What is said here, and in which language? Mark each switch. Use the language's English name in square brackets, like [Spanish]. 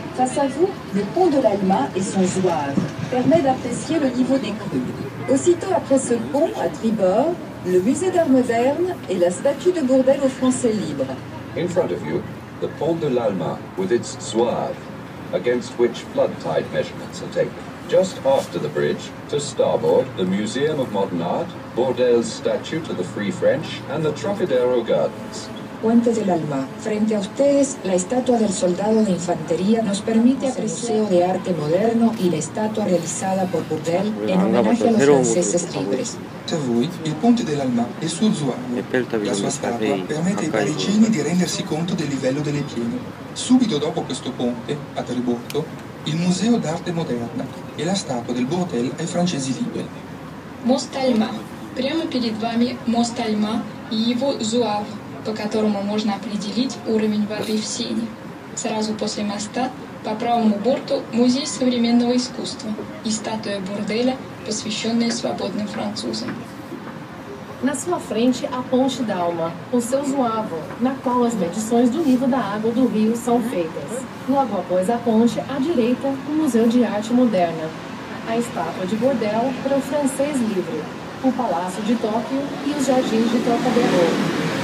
[French] Face à vous, le pont de l'Alma et son zouave permet d'apprécier le niveau des crues. Aussitôt après ce pont, à tribord, le musée d'art moderne et la statue de Bourdelle aux Français libres. [English] In front of you, the Pont de l'Alma with its zouave, against which flood tide measurements are taken. Just after the bridge, to starboard, the Museum of Modern Art, Bourdelle's statue to the Free French, and the Trocadero Gardens. [Spanish] Puente del Alma. Frente a ustedes, la estatua del soldado de infantería nos permite apreciar de arte moderno y la estatua realizada por Bourdel en homenaje a los franceses libres. [Italian] A voi, il Ponte dell'Alma e il suo zouave. La sua statua permette ai parigini di rendersi conto del livello delle piene. Subito dopo questo ponte, a Tribordo, il Museo d'Arte Moderna e la statua del Bourdel ai francesi liberi. [Russian] Мост Альма. Прямо перед вами мост Альма и его зуав, по которому можно определить уровень воды в Сене. Сразу после моста, по правому борту, музей современного искусства и статуя Бурделя, посвященная свободным французам. [Portuguese] Na sua frente, a Ponte d'Alma, o seu zuavo, na qual as medições do nível da água do rio são feitas. Logo após a ponte, à direita, o Museu de Arte Moderna, a estátua de Bordel para o francês livre, o Palácio de Tóquio e os Jardins de Trocadero.